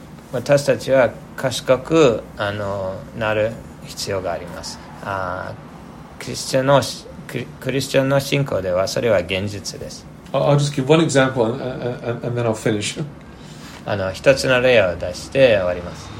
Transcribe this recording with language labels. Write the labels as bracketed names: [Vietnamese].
[Japanese] 私たちは賢くなる必要があります。クリスチャンの信仰ではそれは現実です。 [English] I'll just give one example and then I'll finish. [Japanese] 一つの例を出して終わります。